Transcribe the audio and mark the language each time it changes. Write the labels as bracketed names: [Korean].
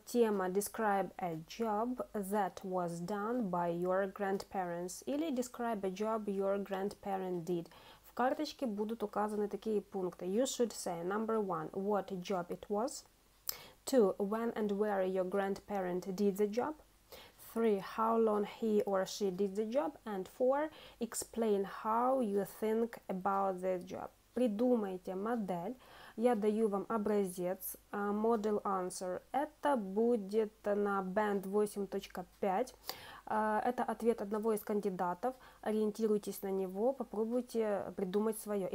[Russian] Тема [English] describe a job that was done by your grandparents [Russian] или [English] describe a job your grandparent did. [Russian] В карточке будут указаны такие пункты. [English] You should say, number 1, what job it was. 2, when and where your grandparent did the job. 3, how long he or she did the job, and 4, explain how you think about the job. [Russian] Придумайте модель, я даю вам образец, model answer, это будет на band 8.5, это ответ одного из кандидатов, ориентируйтесь на него, попробуйте придумать свое.